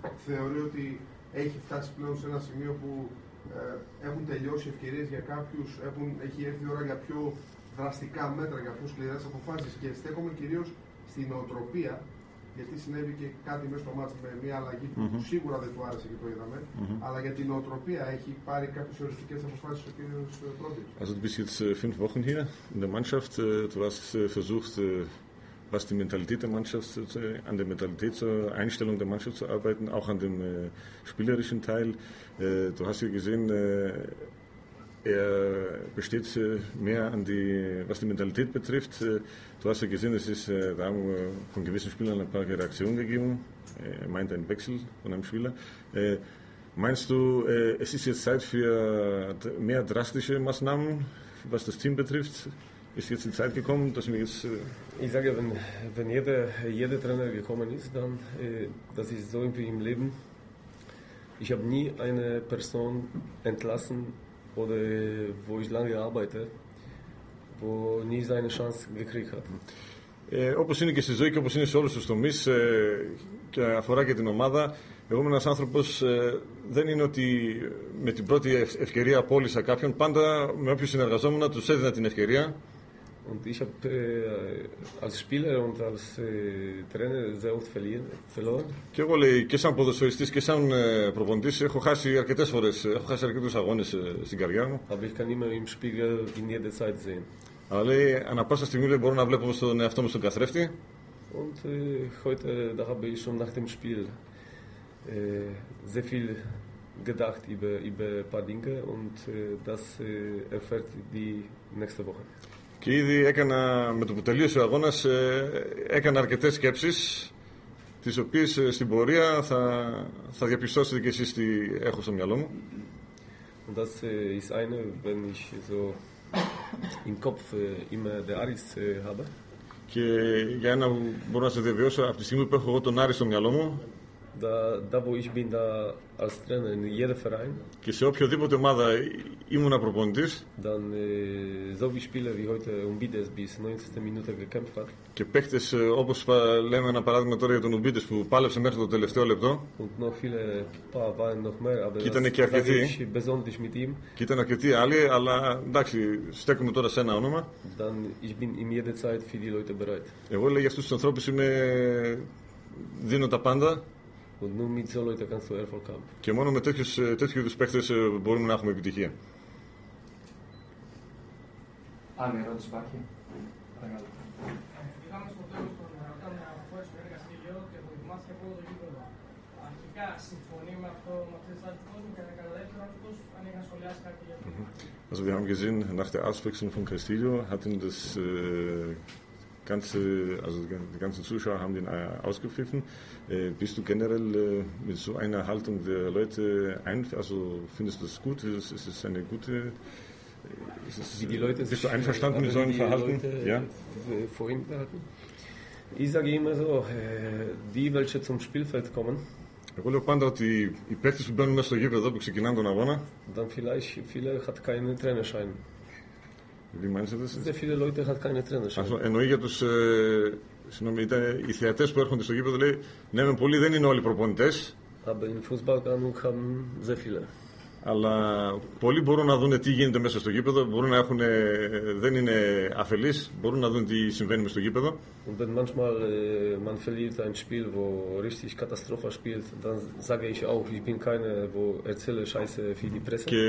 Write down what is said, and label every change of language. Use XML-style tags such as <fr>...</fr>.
<el>Θεωρεί ότι έχει φτάσει πλέον σε ένα σημείο που έχουν τελειώσει ευκαιρίες για κάποιους. Έχει έρθει η ώρα για πιο δραστικά μέτρα, για πιο σκληρές αποφάσεις. Και στέκομαι κυρίως στην νοοτροπία. Γιατί συνέβη και κάτι μέσα στο μάτς με μια αλλαγή που σίγουρα δεν του άρεσε και το είδαμε. Αλλά για την νοοτροπία έχει πάρει κάποιες οριστικές αποφάσεις ο κ. Πρότυπ.</el> <de>Also, du bist jetzt fünf Wochen hier in der Mannschaft. Du hast versucht, was die Mentalität der Mannschaft, an der Mentalität zur Einstellung der Mannschaft zu arbeiten, auch an dem spielerischen Teil. Du hast ja gesehen, er besteht mehr an die, was die Mentalität betrifft. Du hast ja gesehen, es ist da haben wir von gewissen Spielern ein paar Reaktionen gegeben. Er meint einen Wechsel von einem Spieler. Meinst du, es ist jetzt Zeit für mehr drastische Maßnahmen, was das Team betrifft? Ist jetzt die Zeit gekommen, dass wir jetzt... Ich sage, wenn jeder Trainer gekommen ist, dann das ist so wie im Leben. Ich habe nie eine Person entlassen, oder wo ich lange arbeite, wo nie seine Chance gekriegt hat.</de> <el>Όπως είναι και στη ζωή και όπως είναι σε όλους τους τομείς και αφορά και την ομάδα, εγώ είμαι ένας άνθρωπος, δεν είναι ότι με την πρώτη ευκαιρία απόλυσα κάποιον, πάντα με όποιους συνεργαζόμουν τους έδινα την ευκαιρία.</el> <de>Und ich habe als Spieler und als Trainer sehr oft verloren.</de> <el>Και εγώ λέει, και σαν ποδοσφαιριστής και σαν προπονητής, έχω χάσει αρκετές φορές, έχω χάσει αρκετούς αγώνες στην καριέρα μου.</el> <de>Aber ich kann immer im Spiegel in jeder Zeit sehen.</de> <el>Αλλά λέει, ανά πάσα στιγμή λέει, μπορώ να βλέπω στον εαυτό μου στον καθρέφτη.</el> <de>Und heute, da habe ich schon nach dem Spiel sehr viel gedacht über ein paar Dinge und das erfährt die nächste Woche.</de> <el>Και ήδη έκανα, με το που τελείωσε ο αγώνας, έκανα αρκετές σκέψεις, τις οποίες στην πορεία θα διαπιστώσετε και εσείς τι έχω στο μυαλό μου.</el> <de>Und das ist eine, wenn ich so im Kopf immer der Aris habe.</de> <el>Και για ένα που μπορώ να σε διαβιώσω, από τη στιγμή που έχω εγώ τον Άρη στο μυαλό μου,</el> <de>da wo ich bin da als Trainer in jedem Verein.</de> <el>Και σε οποιοδήποτε ομάδα ήμουν προπονητής.</el> <de>Dann so wie Spieler wie heute Umbides bis 90. Minute gekämpft hat.</de> <el>Και παίχτες όπως λέμε ένα παράδειγμα τώρα για τον Umbides που πάλεψε μέχρι το τελευταίο λεπτό.</el> <de>Und noch viele paar waren noch mehr, aber</de> <el>και ήταν και αρκετοί.</el> <de>Besonders mit ihm.</de> <el>Και ήταν αρκετοί άλλοι, αλλά εντάξει, στέκουμε τώρα σε ένα όνομα.</el> <de>Dann ich bin in jeder Zeit für die Leute bereit.</de> <el>Εγώ λέει για αυτούς τους ανθρώπους είμαι, δίνω τα πάντα.</el> <de>Und nur mit so Leuten kannst du Erfolg haben.</de> <el>Και μόνο με τέτοιου είδους παίκτες μπορούμε να έχουμε επιτυχία. Άλλη ερώτηση υπάρχει. Παρακαλώ. Είχαμε στο τέλος τον ρωτά μια φορά στο έργα στη Λιώ και δοκιμάστηκε από το γήπεδο. Αρχικά συμφωνεί με αυτό με αυτές τις άλλες κόσμου και κατά δεύτερον αυτούς αν είχαν σχολιάσει κάτι για αυτό.</el> <de>Also wir haben gesehen, nach der Auswechslung von Castillo hatten das die ganzen Zuschauer haben den ausgepfiffen. Bist du generell mit so einer Haltung der Leute also findest du das gut? Ist es eine gute? Bist du einverstanden mit so einem Verhalten? Ja. Vorhin hatten. Ich sage immer so, die, welche zum Spielfeld kommen.</de> <el>Εγώ λέω πάντα ότι οι παίκτες που μπαίνουν μέσα στο γήπεδο που ξεκινάνε τον αγώνα.</el> <de>Dann vielleicht viele hat keinen Trainerschein. Wie meinst du das? Sehr viele Leute haben keine Trainerschein.</de> <el>Εννοεί για τους θεατές που έρχονται στο γήπεδο, λέει, ναι, με πολλοί δεν είναι όλοι προπονητές.</el> <de>Aber in Fußballkanung haben sehr viele.</de> <el>Αλλά πολλοί μπορούν να δουν τι γίνεται μέσα στο γήπεδο, μπορούν να έχουν, δεν είναι αφελείς, μπορούν να δουν τι συμβαίνει μέσα στο γήπεδο.</el> <de>Und wenn manchmal man verliert ein Spiel, wo richtig Katastrophe spielt, dann sage ich auch, ich bin keiner, wo erzähle Scheiße für die Presse.</de>